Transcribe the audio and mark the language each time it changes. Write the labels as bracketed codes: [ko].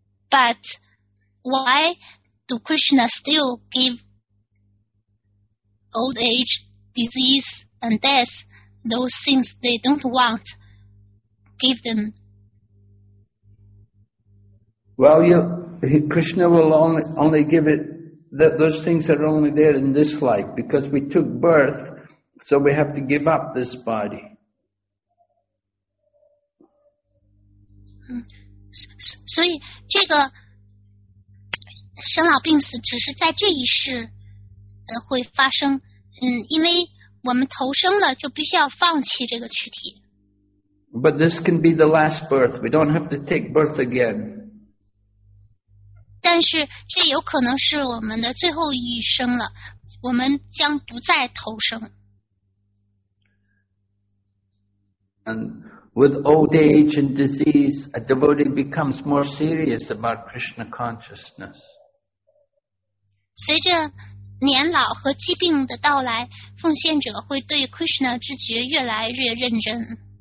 [en] But why do Krishna still give old age, disease, and death those things they don't want, give them? Well, Krishna will only give it, those things are only there in this life, because we took birth, so we have to give up this body. So, [zh] 这个生老病死只是在这一世会发生，因为我们投生了就必须要放弃这个躯体。 [en] But this can be the last birth. We don't have to take birth again. [zh] 但是这有可能是我们的最后一生了，我们将不再投生。 [en] And with old age and disease, a devotee becomes more serious about Krishna consciousness. [zh] 随着年老和疾病的到来，奉献者会对 Krishna 知觉越来越认真。